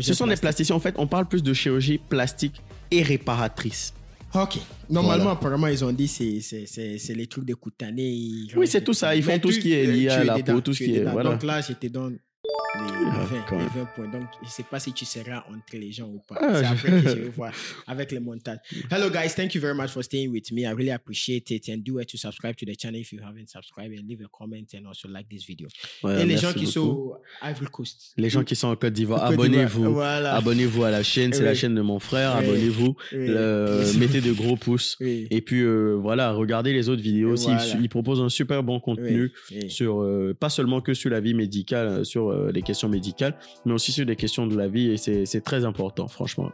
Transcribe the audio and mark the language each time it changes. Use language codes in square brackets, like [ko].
[fr] Ce sont des plasticiens. En fait, on parle plus de chirurgie plastique et réparatrice. Ok. Normalement, apparemment, ils ont dit que c'est les trucs de cutanés. Oui, c'est tout ça. Ils font tout ce qui est lié à la peau, tout ce qui est... Voilà. Donc là, je te donne les 20 points. Donc, je ne sais pas si tu seras entre les gens ou pas. Ah, c'est après que je vais voir avec les montages. [en] Hello, guys. Thank you very much for staying with me. I really appreciate it. And do it to subscribe to the channel if you haven't subscribed. And leave a comment and also like this video. [fr] Voilà, et les gens beaucoup. Qui sont Ivory Coast. Les gens qui sont en Côte d'Ivoire, abonnez-vous. Voilà. Abonnez-vous à la chaîne. C'est la chaîne de mon frère. Abonnez-vous. mettez de gros pouces. Et puis, voilà, regardez les autres vidéos aussi. Voilà. Ils proposent un super bon contenu sur, pas seulement que sur la vie médicale, sur les questions médicales, mais aussi sur des questions de la vie, et c'est très important, franchement.